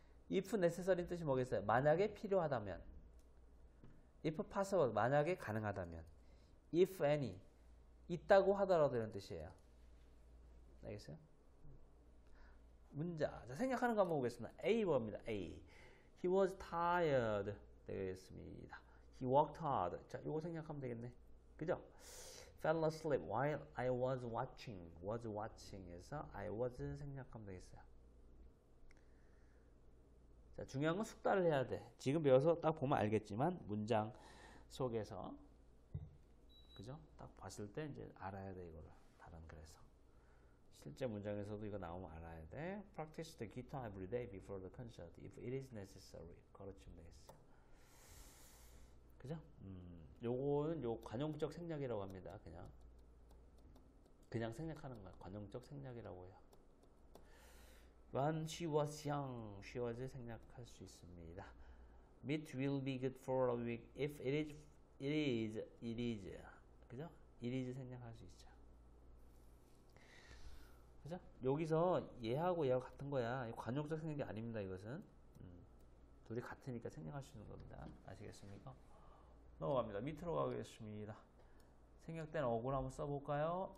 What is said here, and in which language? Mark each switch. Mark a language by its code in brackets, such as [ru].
[en] If necessary [ko] 뜻이 뭐겠어요? 만약에 필요하다면, [en] if possible [ko] 만약에 가능하다면, [en] if any [ko] 있다고 하더라도 이런 뜻이에요. 알겠어요? 문자. 자, 생략하는 거 한번 보겠습니다. A 뭡니다. A. [en] He was tired [ko] 되겠습니다. [en] He worked hard. [ko] 자, 이거 생략하면 되겠네. 그죠? [en] Fell asleep while I was watching. Was watching에서 I was [ko] 생략하면 되겠어요. 자, 중요한 건 숙달을 해야 돼. 지금 배워서 딱 보면 알겠지만 문장 속에서 그죠? 딱 봤을 때 이제 알아야 돼 이거를. 다른 글에서 실제 문장에서도 이거 나오면 알아야 돼. [en] Practice the guitar every day before the concert if it is necessary. [ko] 그렇지면 되겠어요. 그죠? 요거는 요 관용적 생략이라고 합니다. 그냥 생략하는 거야. 관용적 생략이라고 해요. [en] When she was young, she was [ko] 생략할 수 있습니다. Meat will be good for a week if it is. 그죠? [en] It is [ko] 생략할 수 있죠. 그죠? 여기서 얘하고 얘하고 같은 거야. 관용적 생략이 아닙니다. 이것은. 둘이 같으니까 생략할 수 있는 겁니다. 아시겠습니까? 넘어갑니다. 밑으로 가겠습니다. 생략된 어구를 한번 써볼까요?